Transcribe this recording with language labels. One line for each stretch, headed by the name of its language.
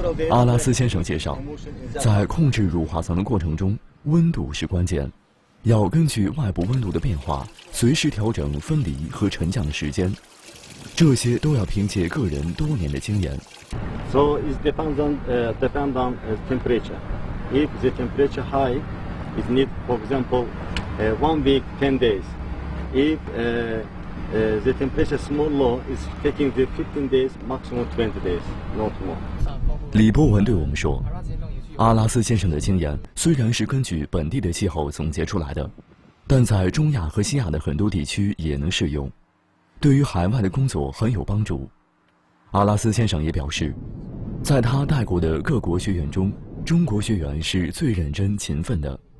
Chinese: 阿拉斯先生介绍，在控制乳化层的过程中，温度是关键，要根据外部温度的变化随时调整分离和沉降的时间，这些都要凭借个人多年的经验。
English: So it depends on temperature. If the temperature high, it need for example 1 week 10 days. If the temperature small low, it's taking the 15 days maximum 20 days, not more.
Chinese: 李波文对我们说，阿拉斯先生的经验虽然是根据本地的气候总结出来的，但在中亚和西亚的很多地区也能适用，对于海外的工作很有帮助。阿拉斯先生也表示，在他带过的各国学员中，中国学员是最认真勤奋的。